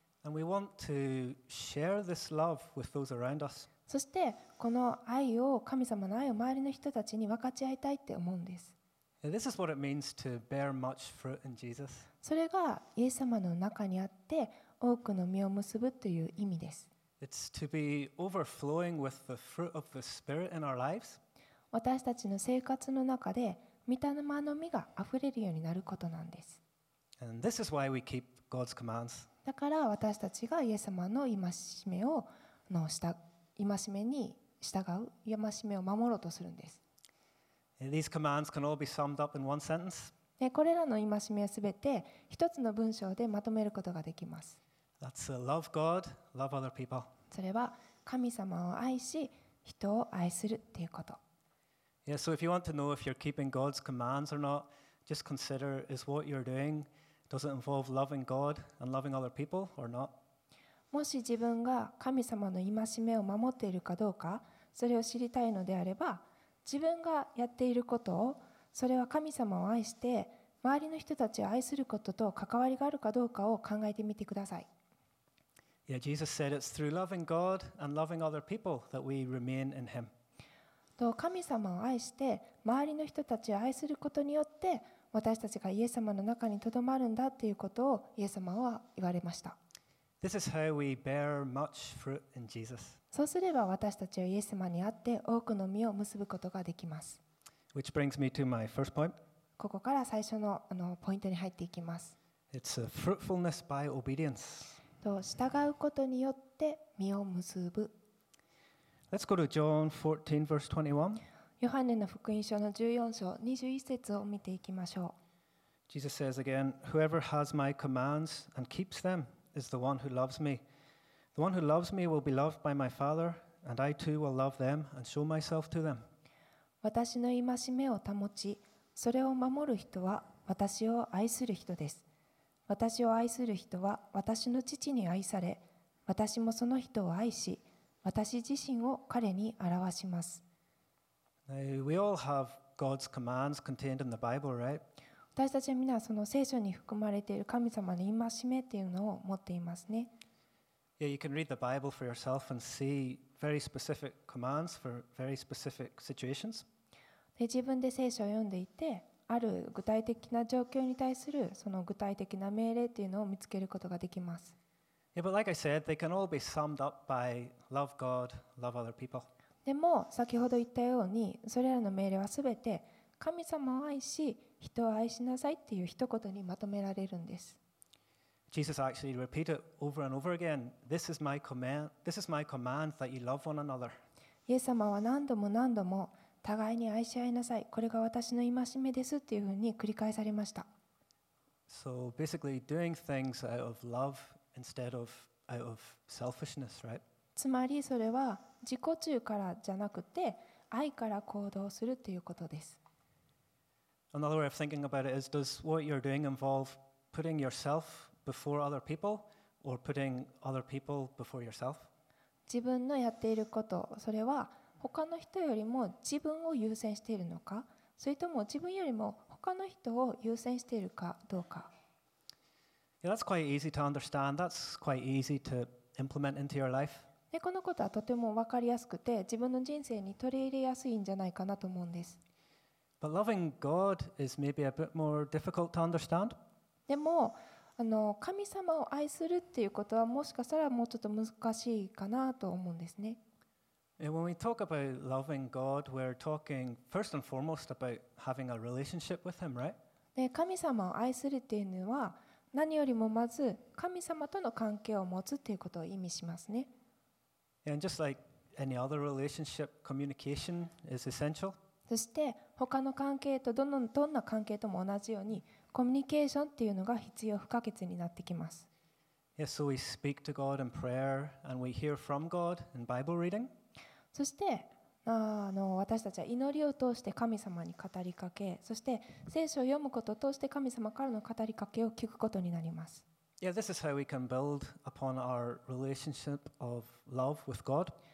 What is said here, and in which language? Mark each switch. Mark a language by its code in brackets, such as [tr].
[en] And we want to share this love with those around us. [ja] そしてこの愛を神様の愛を周りの人たちに分かち合いたいって思うんです。 [en] This is what it means to bear much fruit in Jesus. [ja] それがイエス様の中にあって多くの実を結ぶという意味です。 [en] It's to be overflowing with the fruit of the Spirit in our lives. [ja] 私たちの生活の中で御霊の実が溢れるようになることなんです。 [en] And this is why we keep God's commands. [ja] だから私たちがイエス様の戒めをのした。戒めに従う、戒めを守ろうとするんです。 [en] These commands can all be summed up in one sentence. [ja] で、これらの戒めはすべて一つの文章でまとめることができます。 [en] That's love God, love other people. [ja] それは神様を愛し、人を愛するっていうこと。 [en] Yeah, so if you want to know if you're keeping God's commands or not, just consider is what you're doing, does it involve loving God and loving other people or not? [ja] もし自分が神様の戒めを守っているかどうか、それを知りたいのであれば、自分がやっていることを、それは神様を愛して、周りの人たちを愛することと関わりがあるかどうかを考えてみてください。 [en] Yeah, Jesus said it's through loving God and loving other people that we remain in Him. [ja] と神様を愛して、周りの人たちを愛することによって、私たちがイエス様の中にとどまるんだということをイエス様は言われました。 [en] This is how we bear much fruit in Jesus. [ja] そうすれば私たちはイエス様にあって多くの実を結ぶことができます。 [en] Which brings me to my first point. [ja] ここから最初のポイントに入っていきます。 [en] It's a fruitfulness by obedience. [ja] と従うことによって実を結ぶ。 [en] Let's go to John 14 verse 21. [ja] ヨハネの福音書の14章21節を見ていきましょう。 [en] Jesus says again, "Whoever has my commands and keeps them." Is the one who loves me. The one who loves me will be loved by my Father, and I too will love them and show myself to them. [ja] 私の戒めを保ち、それを守る人は私を愛する人です。私を愛する人は私の父に愛され、私もその人を愛し、私自身を彼に表します。 [en] Now, we all have God's commands contained in the Bible, right? [ja] 私たちはみんなその聖書に含まれている神様の戒めっていうのを持っていますね。 [en] Yeah, you can read the Bible for yourself and see very specific commands for very specific situations. [ja] で、自分で聖書を読んでいて、ある具体的な状況に対するその具体的な命令というのを見つけることができます。 [en] Yeah, but like I said, they can all be summed up by love God, love other people. [ja] でも先ほど言ったようにそれらの命令はすべて神様を愛し人を愛しなさいっていう一言にまとめられるんです。 [en] Jesus actually repeated over and over again, "This is my command. This is my command that you love one another." [ja] イエス様は何度も何度も互いに愛し合いなさい。これが私の戒めですっていうふうに繰り返されました。 [en] So basically, doing things out of love instead of out of selfishness, right? [ja] つまりそれは自己中からじゃなくて愛から行動するっていうことです。 [en] Another way of thinking about it is: Does what you're doing involve putting yourself before other people, or putting other people before yourself? [ja] 自分のやっていること、それは他の人よりも自分を優先しているのか、それとも自分よりも他の人を優先しているかどうか。 [en] Yeah, that's quite easy to understand. That's quite easy to implement into your life. [ja] で、このことはとても分かりやすくて、自分の人生に取り入れやすいんじゃないかなと思うんです。 [en] But loving God is maybe a bit more difficult to understand. [ja] でも、神様を愛するっていうことはもしかしたらもうちょっと難しいかなと思うんですね。 [en] When we talk about loving God, we're talking first and foremost about having a relationship with Him, right? [ja] で、神様を愛するっていうのは何よりもまず神様との関係を持つっていうことを意味しますね。 [en] And just like any other relationship, communication is essential. [ja] そして他の関係とどんな関係とも同じようにコミュニケーションっていうのが必要不可欠になってきます。 [en] Yeah, so we speak to God in prayer and we hear from God in Bible reading. [ja] そして私たちは祈りを通して神様に語りかけ、そして聖書を読むことを通して神様からの語りかけを聞くことになります。 [en] Yeah, this is how we can build upon our relationship of love with God.